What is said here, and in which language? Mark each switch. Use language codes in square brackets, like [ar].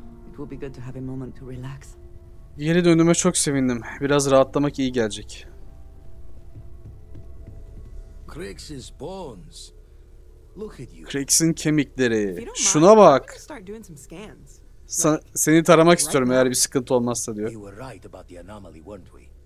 [en] It will be good to have a moment to relax. [tr] Geri döndüğüme çok sevindim. Biraz rahatlamak iyi gelecek. [en] Craig's bones. Look at you. [tr] Craig's'in kemikleri. Şuna bak. Seni taramak istiyorum eğer bir sıkıntı olmazsa diyor. [en] You were right about the anomaly, weren't we?